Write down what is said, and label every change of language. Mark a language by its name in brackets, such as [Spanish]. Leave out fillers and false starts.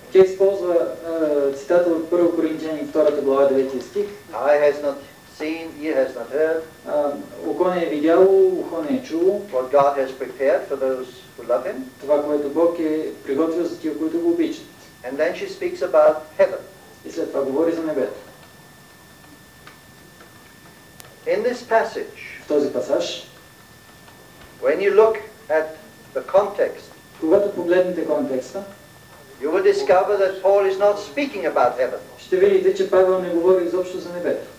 [Bulgarian] Тя използва цитата от 1 Коринтияни 2 глава 9 стих. [English] I has not seen, ear has not heard. [Bulgarian] Око не е видяло, ухо не е чуло. [English] What God has prepared for those who love him. [Bulgarian] Това, което Бог е приготвил за тия, които го обичат. [English] And then she speaks about heaven. [Bulgarian] И след това говори за небето. [English] In this passage, [Bulgarian] в този пасаж, [English] when you look at the context, [Bulgarian] когато погледнете контекста, [English] you will discover that Paul is not speaking about heaven. [Bulgarian] Ще видите, че Павел не говори изобщо за небето.